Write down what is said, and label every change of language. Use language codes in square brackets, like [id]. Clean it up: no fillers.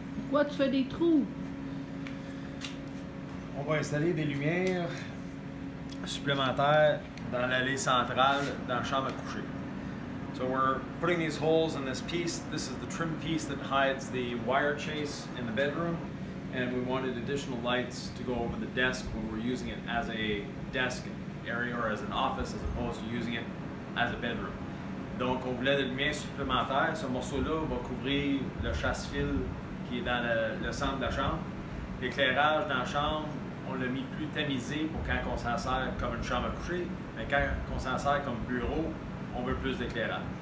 [fr] Pourquoi tu fais des trous? On va installer des lumières supplémentaires dans l'allée centrale dans la chambre à coucher. [en] So we're putting these holes in this piece. This is the trim piece that hides the wire chase in the bedroom. And we wanted additional lights to go over the desk when we're using it as a desk area or as an office as opposed to using it as a bedroom. [fr] Donc on voulait des lumières supplémentaires. Ce morceau-là va couvrir le chasse-fil qui est dans le centre de la chambre. L'éclairage dans la chambre, on l'a mis plus tamisé pour quand on s'en sert comme une chambre à coucher, mais quand on s'en sert comme bureau, on veut plus d'éclairage.